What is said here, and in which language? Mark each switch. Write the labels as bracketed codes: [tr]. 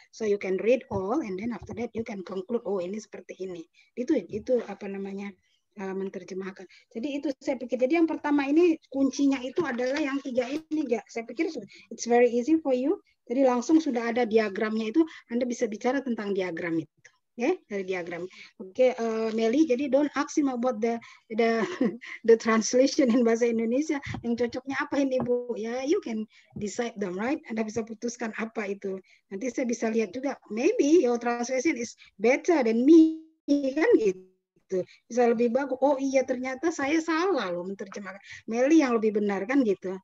[id] So you can read all and then after that you can conclude, oh ini seperti ini. Itu apa namanya menerjemahkan. Jadi itu saya pikir. Jadi yang pertama ini kuncinya itu adalah yang tiga ini, gak? Saya pikir it's very easy for you. Jadi langsung sudah ada diagramnya itu, Anda bisa bicara tentang diagram itu. Oke, okay, dari diagram. [en] Oke, okay, Meli, jadi don't ask him about the translation in bahasa Indonesia. [id] Yang cocoknya apa ini, Bu? Ya, yeah, you can decide them, right? Anda bisa putuskan apa itu. Nanti saya bisa lihat juga, maybe your translation is better than me, kan gitu. Bisa lebih bagus. Oh iya, ternyata saya salah loh menerjemahkan. Meli yang lebih benar, kan gitu.